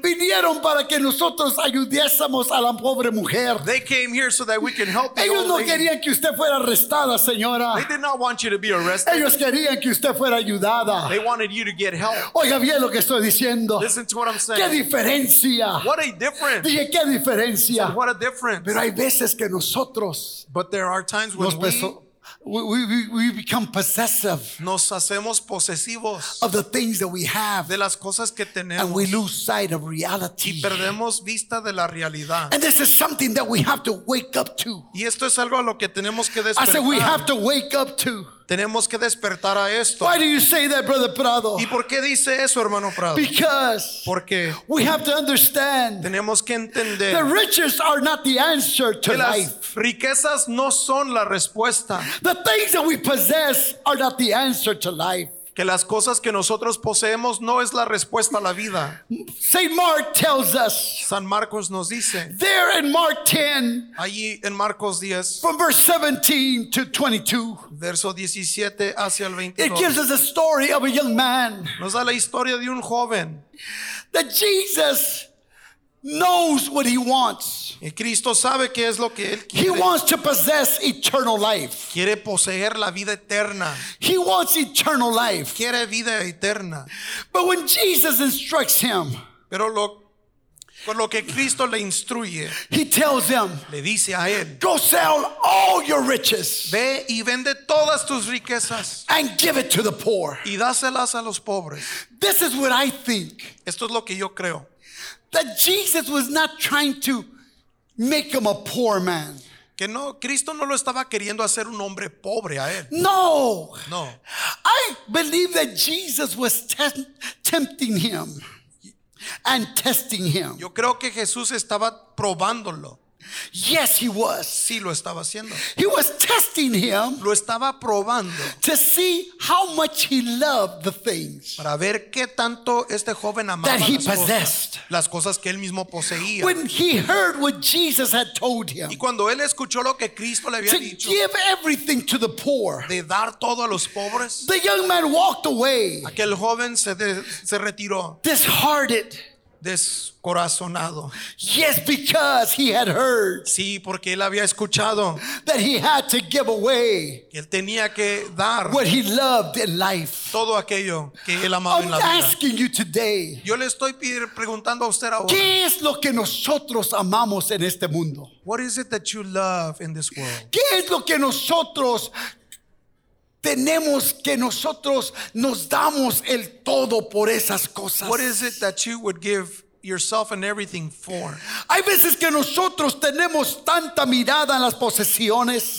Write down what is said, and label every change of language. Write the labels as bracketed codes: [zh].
[es] vinieron para que nosotros ayudásemos a la pobre mujer. [en] They came here so that we can help the [es] ellos no [en] lady. [es] Querían que usted fuera arrestada, señora. [en] They did not want you to be arrested. [es] Ellos querían que usted fuera ayudada. [en] They wanted you to get help. [es] Oiga bien lo que estoy diciendo. [en] Listen to what I'm saying. [es] Qué diferencia. [en] What a difference. [es] Dije, qué diferencia. [en] So what a difference. [es] Pero hay veces que nosotros, [en] but there are times when we become possessive. [es] Nos hacemos posesivos [en] of the things that we have. [es] De las cosas que tenemos. [en] And we lose sight of reality. [es] Y perdemos vista de la realidad. [en] And this is something that we have to wake up to. [es] Y esto es algo a lo que tenemos que despertar. [en] I said we have to wake up to. [es] Tenemos que despertar a esto. [en] Why do you say that, Brother Prado? [es] ¿Y por qué dice eso, hermano Prado? [en] Because [es] porque [en] we have to understand. [es] Tenemos que entender. [en] The riches are not the answer to [es] que [en] life. [es] Las riquezas no son la respuesta. [en] The things that we possess are not the answer to life. [es] Que las cosas que nosotros poseemos no es la respuesta a la vida. [en] Saint Mark tells us. [es] San Marcos nos dice. [en] There in Mark 10. [es] Allí en Marcos 10. [en] From verse 17 to 22. [es] Verso 17 hacia el 22. [en] It gives us the story of a young man. [es] Nos da la historia de un joven. [en] That Jesus knows what he wants. [es] Y Cristo sabe qué es lo que él quiere. [en] He wants to possess eternal life. [es] Quiere poseer la vida eterna. [en] He wants eternal life. [es] Quiere vida eterna. [en] But when Jesus instructs him, [es] pero lo que Cristo le instruye, [en] he tells him, [es] le dice a él, [en] go sell all your riches. [es] Ve y vende todas tus riquezas. [en] And give it to the poor. [es] Y dáselas a los pobres. [en] This is what I think. [es] Esto es lo que yo creo. [en] That Jesus was not trying to make him a poor man. [es] Que no, Cristo no lo estaba queriendo hacer un hombre pobre a él. [en] No. [es] No. [en] I believe that Jesus was tempting him and testing him. [es] Yo creo que Jesús estaba probándolo. [en] Yes, he was. [es] Sí, lo estaba haciendo. [en] He was testing him. [es] Lo estaba probando. [en] To see how much he loved the things. [es] Para ver qué tanto este joven amaba [en] that he possessed. [es] Las cosas que él mismo poseía. [en] When he heard what Jesus had told him. [es] Y cuando él escuchó lo que Cristo le había dicho. [en] To give everything to the poor. [es] De dar todo a los pobres. [en] The young man walked away. [es] Aquel joven se retiró. [en] Disheartened. [es] Descorazonado. [en] Yes, because he had heard. [es] Sí, porque él había escuchado. [en] That he had to give away. [es] Que él tenía que dar. [en] What he loved in life. [es] Todo aquello que él amaba en la vida. [en] I'm asking you today. [es] Yo le estoy preguntando a usted ahora. ¿Qué es lo que nosotros amamos en este mundo? [en] What is it that you love in this world? [es] ¿Qué es lo que nosotros tenemos que nosotros nos damos el todo por esas cosas? [en] What is it that you would give yourself and everything for. [es] Hay veces que nosotros tenemos tanta mirada en las posesiones.